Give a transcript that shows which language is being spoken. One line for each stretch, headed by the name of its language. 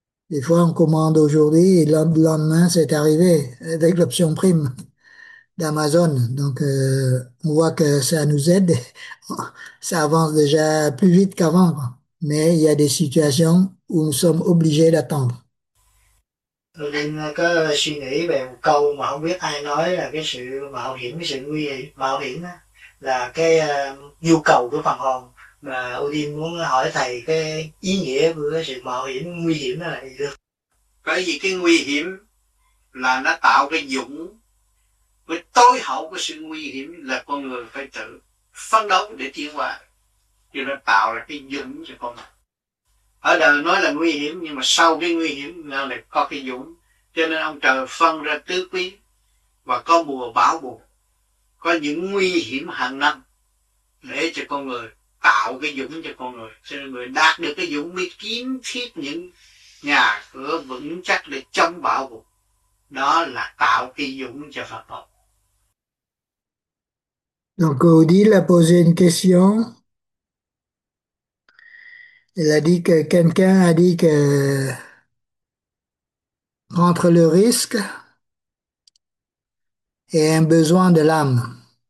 French: Des fois, on commande aujourd'hui et le lendemain, c'est arrivé avec l'option prime d'Amazon. Donc, on voit que ça nous aide. Ça avance déjà plus vite qu'avant, quoi. Mais il y a des situations où nous sommes obligés d'attendre.
Vietnamese: Tôi đang có suy nghĩ về một câu mà không biết ai nói là cái sự mạo hiểm, cái sự nguy mạo hiểm đó, là cái nhu cầu của phần hồn. Mà Odin muốn hỏi thầy cái ý nghĩa của cái sự mạo hiểm, nguy hiểm đó là gì được. Bởi vì cái nguy hiểm là nó tạo cái dũng, cái tối hậu của sự nguy hiểm là con người phải tự phấn đấu để tiến qua, thì nó tạo ra cái dũng cho con người. Ở đời nói là nguy hiểm nhưng mà sau cái nguy hiểm nó lại có cái dũng, cho nên ông trời phân ra tứ quý và có mùa bão buồn, có những nguy hiểm hàng năm để cho con người tạo cái dũng cho con người, cho nên người đạt được cái dũng mới kiến thiết những nhà cửa vững chắc để chống bão buồn, đó là tạo cái dũng cho Phật tử.
French: Donc Odile a posé une question. Elle a dit que quelqu'un a dit que entre le risque et un besoin de l'âme.